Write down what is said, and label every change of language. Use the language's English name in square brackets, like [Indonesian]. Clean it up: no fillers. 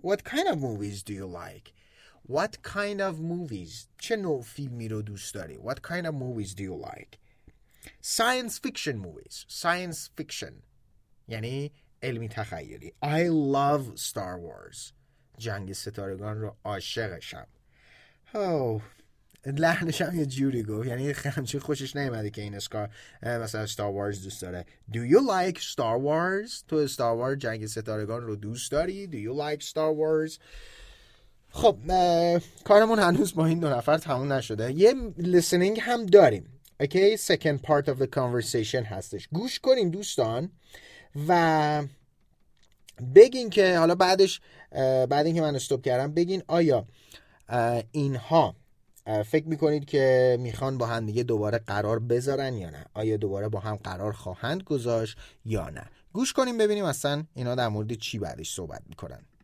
[English] What kind of movies do you like? What kind of movies؟ [Persian] چه نوع فیلمی رو دوست داری؟ [English] What kind of movies do you like? Science fiction movies. [Persian] Science fiction یعنی علمی تخیلی. [English] I love Star Wars. [Persian] جنگ ستارگان رو عاشقشم. لحنش هم یه جوری گفت، یعنی خیلی خوشش نیومده که این اسکار مثلا Star Wars دوست داره. [English] Do you like Star Wars؟ [Persian] تو Star Wars جنگ ستارگان رو دوست داری؟ Do you like Star Wars؟ خب کارمون هنوز با این دو نفر تموم نشده، یه listening هم داریم. [English] Okay, second part of the conversation [Persian] هستش. گوش کنین دوستان و بگین که حالا بعدش بعد اینکه من استوب کردم بگین آیا اینها فکر میکنید که میخوان با هم دیگه دوباره قرار بذارن یا نه، آیا دوباره با هم قرار خواهند گذاشت یا نه. گوش کنیم ببینیم اصلا اینا در مورد چی بعدش صحبت میکنن.